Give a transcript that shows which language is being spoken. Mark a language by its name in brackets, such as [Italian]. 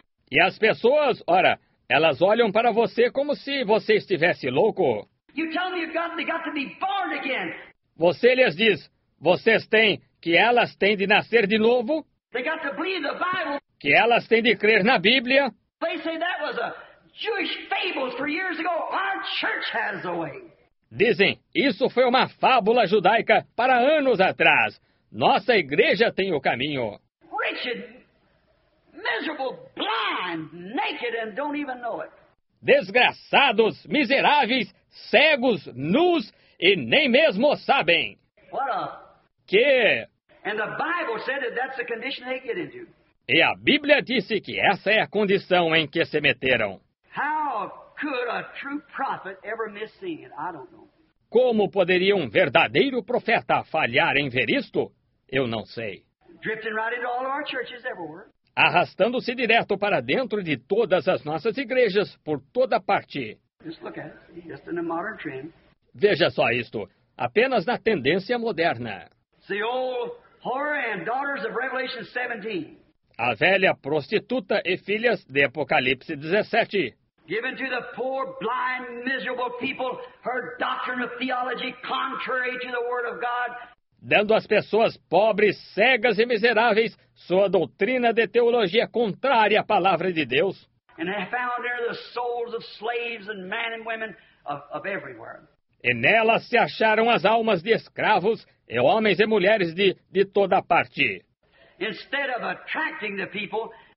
[Portuguese] E as pessoas, ora, elas olham para você como se você estivesse louco. [English] You tell them you've got to be born again. [Portuguese] Você lhes diz, vocês têm que elas têm de nascer de novo. [English] They got to believe the Bible. [Portuguese] Que elas têm de crer na Bíblia. [English] They say that was a Jewish fable for years ago. Our church has a way. [Portuguese] Dizem, isso foi uma fábula judaica para anos atrás. Nossa igreja tem o caminho. [English] Wretched, miserable, blind, naked and don't even know it. [Portuguese] Desgraçados, miseráveis, cegos, nus e nem mesmo sabem. [English] What a... [Portuguese] Que? [English] And the Bible said that that's the condition they get into. [Portuguese] E a Bíblia disse que essa é a condição em que se meteram. [English] How could a true prophet ever miss seeing it? I don't know. [Portuguese] Como poderia um verdadeiro profeta falhar em ver isto? Eu não sei. [English] Drifting right into all our churches everywhere. [Portuguese] Arrastando-se direto para dentro de todas as nossas igrejas, por toda parte. [English] Just look at it. Just in the modern trend. [Portuguese] Veja só isto. Apenas na tendência moderna. [English] The old whore and daughters of Revelation 17. [Portuguese] A velha prostituta e filhas de Apocalipse 17. [English] Given to the poor, blind, miserable people her doctrine of theology contrary to the word of God. [Portuguese] Dando às pessoas pobres, cegas e miseráveis sua doutrina de teologia contrária à palavra de Deus. [English] And they found there the souls of slaves and men and women of everywhere. [Portuguese] E nela se acharam as almas de escravos e homens e mulheres de toda parte. [English] Instead of attracting the people,